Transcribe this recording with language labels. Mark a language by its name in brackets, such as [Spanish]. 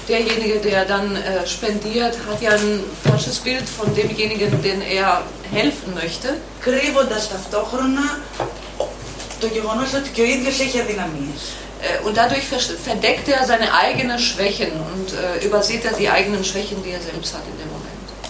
[German] Derjenige, der dann spendiert, hat ja ein falsches Bild von demjenigen, den er helfen möchte. [Greek] Κρύβοντας ταυτόχρονα το γεγονός ότι και ο ίδιος έχει αδυναμίες. [German] Und dadurch verdeckt er seine eigenen Schwächen und übersieht er die eigenen Schwächen, die er selbst hat in dem Moment.